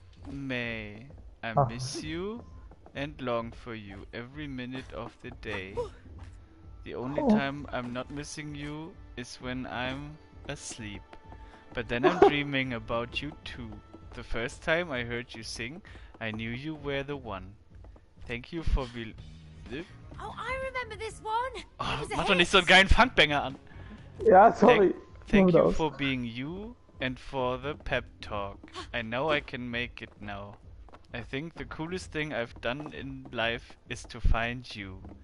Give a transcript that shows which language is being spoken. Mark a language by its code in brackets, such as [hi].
[en] May, I miss you and long for you every minute of the day. The only time I'm not missing you is when I'm asleep. But then I'm dreaming about you too. The first time I heard you sing, I knew you were the one. Thank you for being. Oh, I remember this one. [de] Oh, mach doch nicht so einen geilen Funkbanger an. Ja, sorry. [en] Thank you for being you and for the pep talk. I know I can make it now. I think the coolest thing I've done in life is to find you.